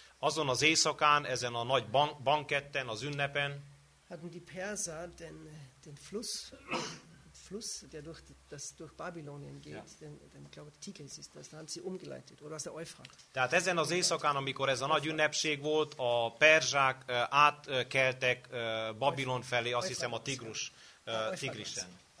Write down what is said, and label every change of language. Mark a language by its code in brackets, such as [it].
[hu] Azon az éjszakán, ezen a nagy banketten, az ünnepen. [de] Hatten die Perser den Fluss. Fluss, der durch Babylonien geht, ja. den glaube ich, Tigris ist das, da haben sie umgeleitet, oder was der Euphrat. [hu] Tehát ezen az éjszakán, amikor ez a nagy ünnepség volt, a perzsák átkeltek Babilon felé, azt hiszem a Tigris, Tigrisen.